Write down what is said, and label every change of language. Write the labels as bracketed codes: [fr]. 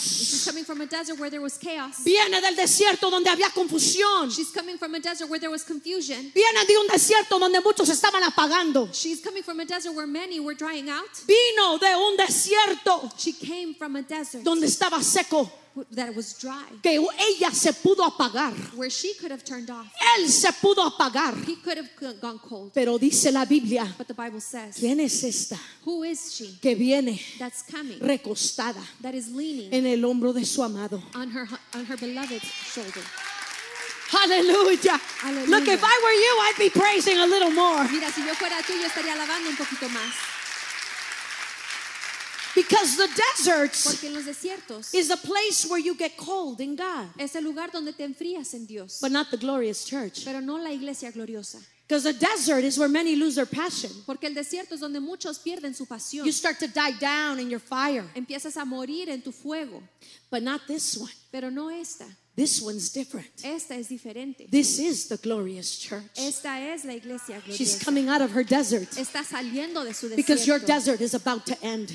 [en] She's coming from a desert where there was chaos. [es] Viene del desierto donde había confusión. [en] She's coming from a desert where there was confusion. [es] Viene de un desierto donde muchos estaban apagando. [en] She's coming from a desert where many were drying out. [es] Vino de un desierto. [en] She came from a desert. [es] Donde estaba seco. [en] That was dry. [es] Que ella se pudo apagar. [en] Where she could have turned off. [es] Él se pudo apagar. [en] He could have gone cold. [es] Pero dice la Biblia. [en] But the Bible says. [es] ¿Quién es esta? [en] Who is she? [es] Que viene. [en] That's coming. [es] Recostada. [en] That is leaning. [es] En el hombro de su amado. [en] On her beloved shoulder. Hallelujah. Hallelujah. Look, if I were you, I'd be praising a little more. [es] Mira, si yo fuera tú, yo estaría alabando un poquito más. [en] Because the desert is a place where you get cold in God. [es] Es el lugar donde te enfrías en Dios. [en] But not the glorious church. [es] Pero no la iglesia gloriosa. [en] Because the desert is where many lose their passion. [es] Porque el desierto es donde muchos pierden su pasión. [en] You start to die down in your fire. [es] Empiezas a morir en tu fuego. [en] But not this one. [es] Pero no esta. [en] This one's different. [es] Esta es diferente. [en] This is the glorious church. [es] Esta es la iglesia gloriosa. [en] She's coming out of her desert. [es] Está saliendo de su desierto. [en] Because your desert is about to end.